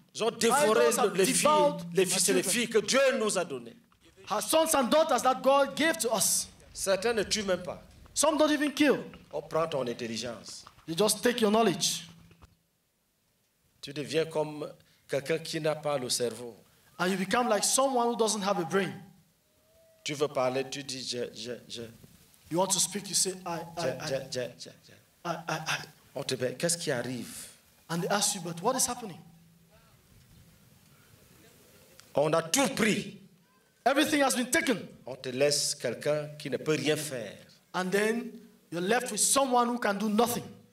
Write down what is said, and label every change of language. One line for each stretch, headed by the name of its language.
French: Ils ont dévoré les filles, les fils et les filles que Dieu nous a donné.
English: Her sons and daughters that God gave to us.
French: Certains ne tuent même pas.
English: Some don't even kill.
French: On prend ton intelligence.
English: They just take your knowledge.
French: Tu deviens comme quelqu'un qui n'a pas le cerveau.
English: And you become like someone who doesn't have a brain.
French: Tu veux parler, tu dis je.
English: You want to speak, you say I.
French: Qu'est-ce qui arrive?
English: And they ask you, but what is happening?
French: On a tout pris.
English: Everything has been taken.
French: On te laisse quelqu'un qui ne peut rien faire.
English: And then you're left with someone who can do nothing.